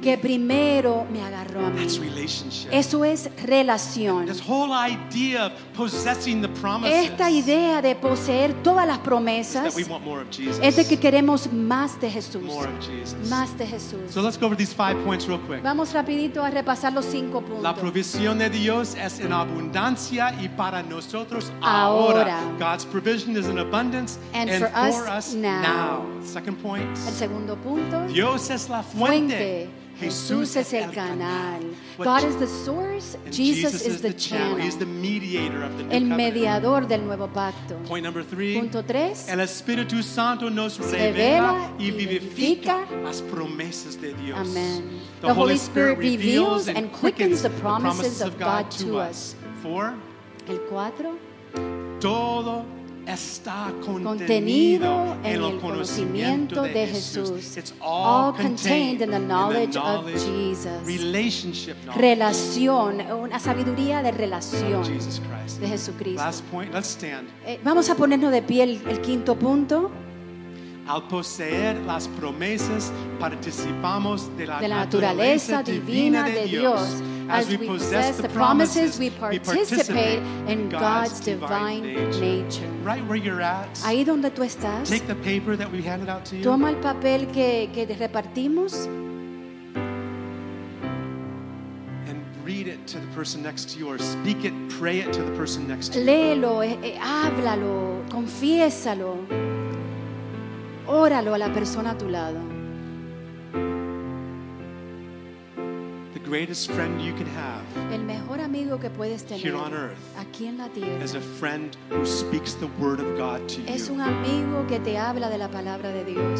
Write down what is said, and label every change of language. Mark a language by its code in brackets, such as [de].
[es] Que primero me agarró a mí. [en] That's relationship. [es] Eso es relación. [en] This whole idea of possessing the promises. [es] Esta idea de poseer todas las promesas. [en] Is that we want more of Jesus. [es] Es de que queremos más de Jesús. [en] More of Jesus. [es] Más de Jesús. [en] So let's go over these five points real quick. [es] Vamos rapidito a repasar los cinco puntos. La provisión de Dios es en abundancia y para nosotros ahora. [en] God's provision is in abundance and for us, now. Second point. [es] El segundo punto. Dios es la fuente. Jesús es el canal. [en] God is the source. Jesus is the channel. He is the mediator of the new [es] covenant. El mediador del nuevo pacto. [en] Point number three. [es] Punto tres. El Espíritu Santo nos revela y vivifica las promesas de Dios. Amen. [en] The Holy Spirit reveals and quickens the promises of God to us. Four. [es] El cuatro. Todo está contenido en el conocimiento de Jesús. [en] It's all contained in the knowledge of Jesus. Relationship knowledge. [es] Relación, una sabiduría de relación de Jesucristo. [en] Last point, let's stand. [es] Vamos a ponernos de pie el quinto punto. Al poseer las promesas, participamos de la, de la naturaleza divina de Dios. [en] As we possess the promises, we participate in God's divine nature. Right where you're at. [es] Ahí donde tú estás. [en] Take the paper that we handed out to you. [es] Toma el papel que repartimos. [en] And read it to the person next to you, or speak it, pray it to the person next to you. [es] Léelo, háblalo, confiésalo. Óralo a la persona a tu lado. [en] The greatest friend you can have. [es] El mejor amigo que puedes tener. [en] Here on earth. [es] Aquí en la tierra. [en] Is a friend who speaks the word of God to [es] es [en] you. [es] Es un amigo que te habla de la palabra de Dios.